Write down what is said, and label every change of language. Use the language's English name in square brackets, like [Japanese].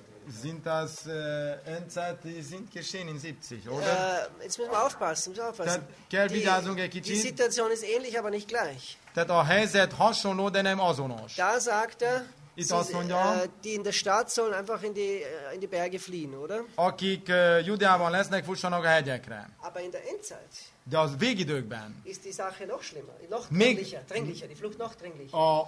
[German] Sind das Endzeit, die sind geschehen in 70, oder? Jetzt müssen wir aufpassen, Die Situation ist ähnlich, aber nicht gleich. [Hungarian] Tehát a helyzet hasonló, de nem azonos. [German] Da sagt er, [Hungarian] itt azt mondja, [German] die in der Stadt sollen einfach in die Berge fliehen, oder? [Hungarian] Akik Judeában lesznek, fussanak a hegyekre. [German] Aber in der Endzeit. [Hungarian] De az végidőkben. [German] Ist die Sache noch schlimmer, noch dringlicher, die Flucht noch dringlicher.